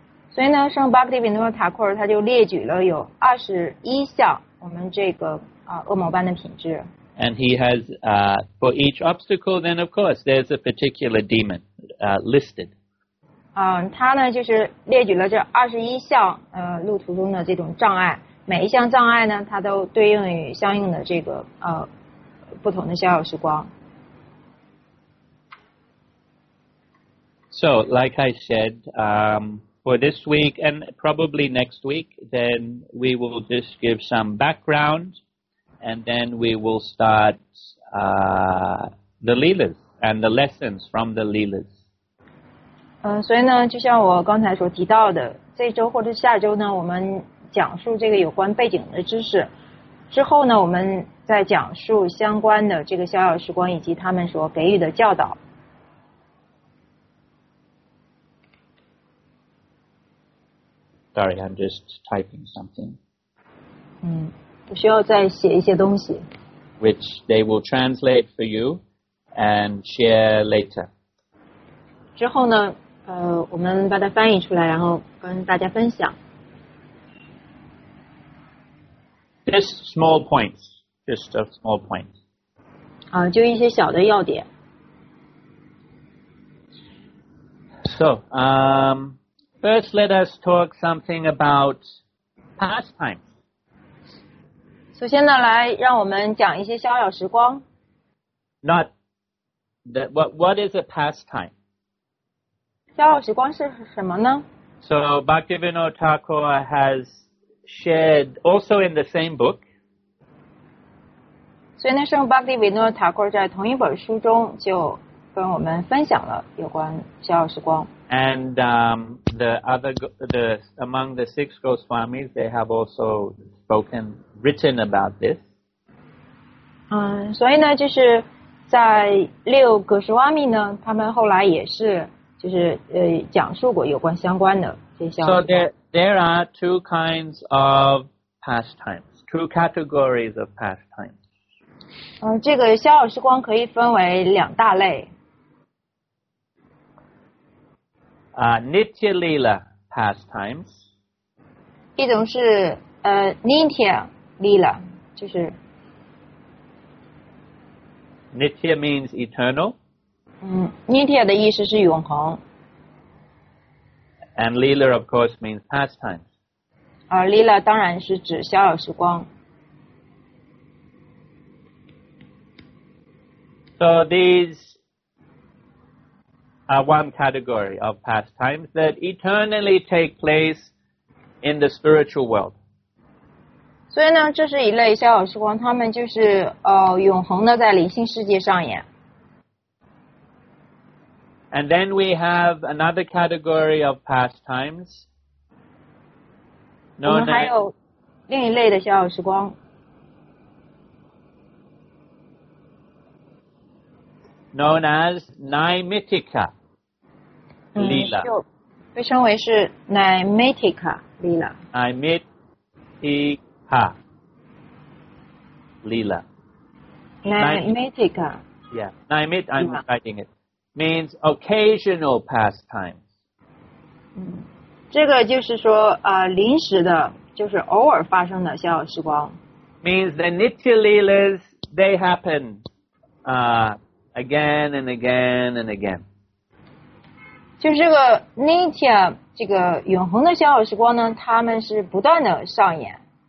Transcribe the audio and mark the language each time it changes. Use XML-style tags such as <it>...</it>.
<zh>所以呢，圣巴克蒂比诺塔库尔他就列举了有21项我们这个恶魔般的品质。</zh> <en>And he has, for each obstacle, then of course, there's a particular demon, listed.</en> <zh>他呢就是列举了这21项路途中的这种障碍，每一项障碍呢，它都对应于相应的这个不同的逍遥时光。</zh> <en>So, like I said, for this week and probably next week, then we will just give some background and then we will start the Leelas and the lessons from the Leelas.</en> <zh>所以呢，就像我刚才所提到的，这周或者下周呢，我们讲述这个有关背景的知识，之后呢，我们再讲述相关的这个逍遥时光以及他们所给予的教导。</zh> <en>Sorry, I'm just typing something.</en> <zh>我需要再写一些东西。</zh> <en>Which they will translate for you and share later.</en> <zh>之后呢，我们把它翻译出来，然后跟大家分享。</zh> <en>Just small points, just a small point.</en> <zh>就一些小的要点。</zh> <en>So, first, let us talk something about pastimes.</en> <zh>首先呢，来让我们讲一些逍遥时光。</zh> <en>Not that, what is a pastime?</en> <zh>逍遥时光是什么呢？</zh> <en>So, Bhaktivinoda Thakur has shared also in the same book.</en> <zh>所以那时候 Bhaktivinoda Thakur 在同一本书中就跟我们分享了有关逍遥时光。</zh> <en>And the among the six Goswamis, they have also spoken, written about this.</en> <zh>所以呢，就是在六个格什瓦米呢，他们后来也是就是讲述过有关相关的这些。</zh> <en>So there are two kinds of pastimes, two categories of pastimes.</en> <zh>这个逍遥时光可以分为两大类。</zh> <en>Nitya Leela pastimes.</en> <zh>一种是Nitya Leela, 就是</zh> <en>Nitya means eternal.</en> <zh>Nitya 的意思是永恒。</zh> <en>And Leela, of course, means pastimes.</en> <zh>Leela 当然是指逍遥时光。</zh> <en>So these. One category of pastimes that eternally take place in the spiritual world.</en> <zh>所以呢，这是一类逍遥时光，他们就是永恒的在灵性世界上演。</zh> <en>And then we have another category of pastimes.</en> <zh>我们还有另一类的逍遥时光。</zh> <en>Known as Naimittika. 就被称为是 Naimittika Leela. Naimittika Leela. Naimittika. Yeah, Naimittika, I'm writing it. Means occasional pastimes.</en> <zh>这个就是说临时的，就是偶尔发生的逍遥时光。</zh> <en>Means the Nitya Leelas, they happen again and again and again.</en> <zh>就是这个 Nitya 这个永恒的逍遥时光呢，他们是不断的上演。</zh>